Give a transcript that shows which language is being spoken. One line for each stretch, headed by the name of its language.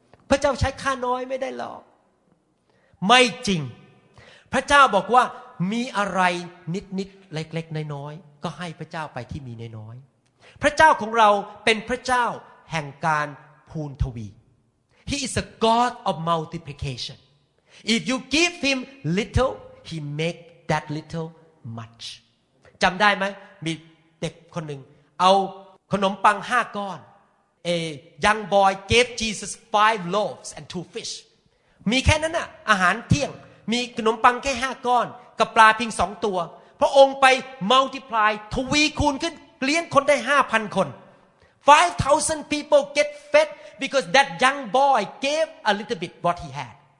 Thai: พระเจ้าใช้ข้าน้อยไม่ได้หรอกไม่จริงพระเจ้าบอกว่ามีอะไรนิดๆเล็กๆน้อยๆก็ให้พระเจ้าไปที่มีน้อยๆพระเจ้าของเราเป็นพระเจ้าแห่งการพูนทวี
English: He is a God of multiplication. If you give him little, he make that little much.
Thai: จำได้ไหมมีเด็กคนหนึ่งเอาขนมปัง5ก้อน
English: A young boy gave Jesus 5 loaves and 2 fish.
Thai: มีแค่นั้นน่ะอาหารเที่ยงมีขนมปังแค่5ก้อนกับปลาเพียง2ตัวพระองค์ไป multiply ทวีคูณขึ้นเลี้ยงคนได้ 5,000 คน
English: 5,000 people get fed because that young boy gave a little bit what he had.